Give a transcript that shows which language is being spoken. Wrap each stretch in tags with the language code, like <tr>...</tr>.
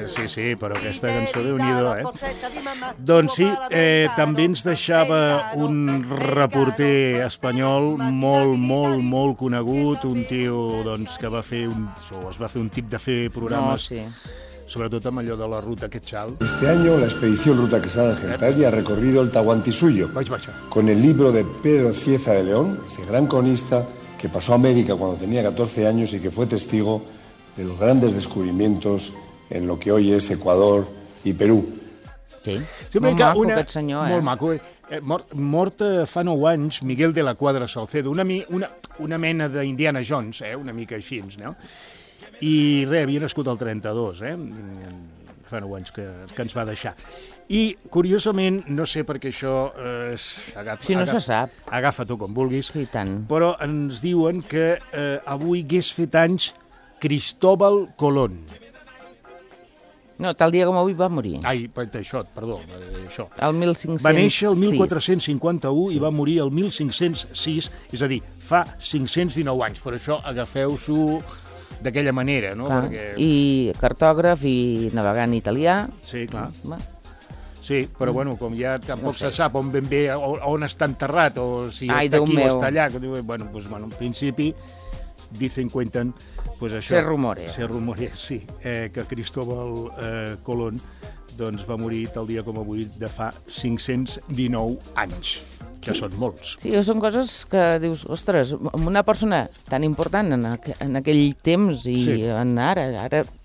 <ca>Sí, però aquesta cançó, déu-n'hi-do, eh? Doncs sí, també ens deixava un reporter espanyol molt conegut, un tio, doncs, que va fer un... o es va fer un tip de fer programes... No, sí. Sobretot amb allò de la ruta Quetzal.</ca> <es>Este año la expedición Ruta Quetzal Argentaria ha recorrido el Tahuantinsuyo. Vaya. Con el libro de Pedro Cieza de León, ese gran cronista que pasó a América cuando tenía 14 años y que fue testigo de los grandes descubrimientos en lo que hoy es Ecuador y Perú.</es> <ca>Sí, molt maco aquest senyor, eh? Molt maco. Mort fa 9 anys, Miguel de la Quadra Salcedo, una mena d'Indiana Jones, eh? Una mica així, no? I res, havia nascut el 32, eh? Fa 9 anys que ens va deixar. I, curiosament, no sé per què això... Agafa-t'ho com vulguis. Sí, tant. Però ens diuen que avui hagués fet anys Cristóbal Colón. No, tal dia com avui va morir. Ai, això, perdó, això. El 1506. Va néixer el 1451, sí. I va morir el 1506, és a dir, fa 519 anys. Per això agafeu-s'ho... d'aquella manera, no? Perquè... I cartògraf i navegant italià. Sí, clar. Sí, però bueno, com ja tampoc se sap on ben bé, on està enterrat, o si ai, està aquí meu. O està allà.</ca> <es>Bueno, pues, bueno,</es> <ca>en principi,</ca> <es>dicen, cuenten, pues</es> <ca>això. Se rumore. Se rumore, sí, que Cristóbal Colón doncs, va morir tal dia com avui de fa 519 anys, que sí. Són molts. Sí, són coses que dius, ostres, una persona tan important en aquell temps i sí. En ara... ara...</ca>